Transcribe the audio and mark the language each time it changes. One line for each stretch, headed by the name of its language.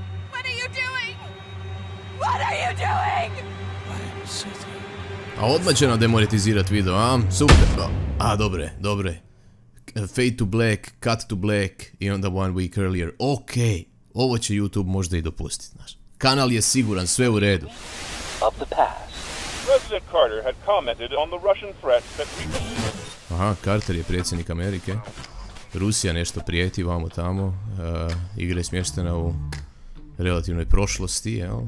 English: What are you doing? What are you doing?
Croatian: A odmah će nam demonetizirat video, a? Super. A, dobre, dobre.
English: Fade to black, cut to black,
Croatian: i onda
English: one week earlier. Okej, okay.
Croatian: Ovo će YouTube možda i dopustiti, znaš. Kanal je siguran, sve u redu.
English: Of the past. President Carter had commented on the Russian threat that we...
Croatian: Aha, Carter je predsjednik Amerike. Rusija nešto prijeti vamo tamo. Igra je smještena u relativnoj prošlosti, jel?